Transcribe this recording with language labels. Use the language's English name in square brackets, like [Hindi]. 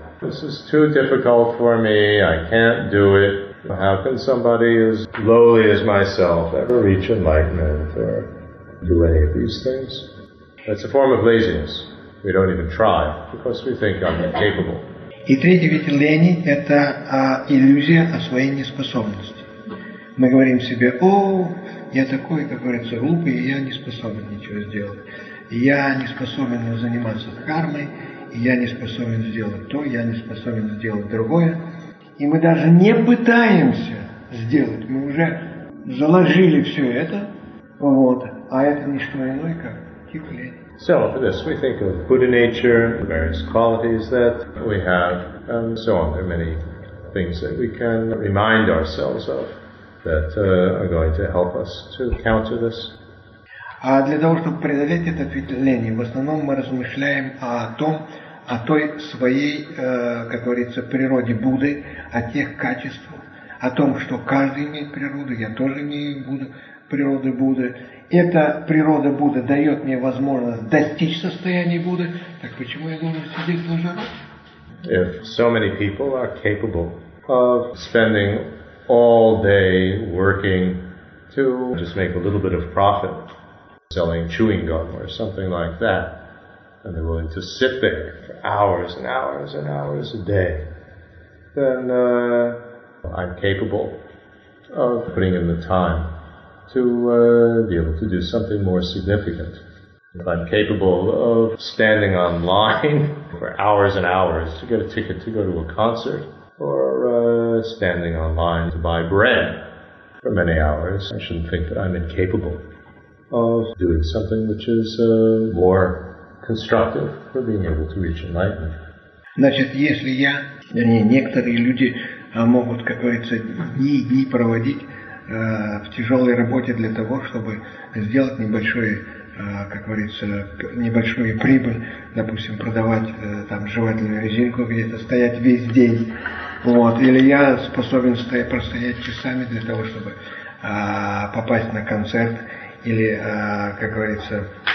[English] This is too difficult for me, I can't do it. How can somebody as lowly as myself ever reach enlightenment or do any of these things? That's a form of laziness. We don't even try because we think I'm incapable. [Russian] И третий вид лени – это иллюзия о своей неспособности. Мы говорим себе: «О, я такой, как говорится, глупый, и я не способен ничего сделать». я не способен заниматься кармой, я не способен сделать то, я не способен сделать другое. И мы даже не пытаемся сделать, мы уже заложили все это, вот, а это не что иное, как тихо лень. [English] So for this, we think of Buddha nature, the various qualities that we have, and so on. There are many things that we can remind ourselves of that are going to help us to counter this. [Russian] А для того, чтобы преодолеть это впечатление, в основном мы размышляем о том, о той своей, как говорится, природе Будды, о тех качествах, о том, что каждый имеет природу, я тоже имею Будду, природу Будды. Эта природа Будды дает мне возможность достичь состояния Будды. Так почему я должен сидеть на жару? [English] If so many people are capable of spending all day working to just make a little bit of profit, selling chewing gum or something like that, and they're willing to sit there for hours and hours and hours a day, then I'm capable of putting in the time to be able to do something more significant. If I'm capable of standing online for hours and hours to get a ticket to go to a concert, or standing online to buy bread for many hours, I shouldn't think that I'm incapable of doing something which is more constructive for being able to reach enlightenment. [Russian] Значит, если я, вернее, некоторые люди могут, как говорится, дни проводить в тяжелой работе для того, чтобы сделать небольшой, как говорится, небольшую прибыль, допустим, продавать там жевательную резинку где-то, стоять весь день, вот, или я способен простоять часами для того, чтобы попасть на концерт, или, как говорится,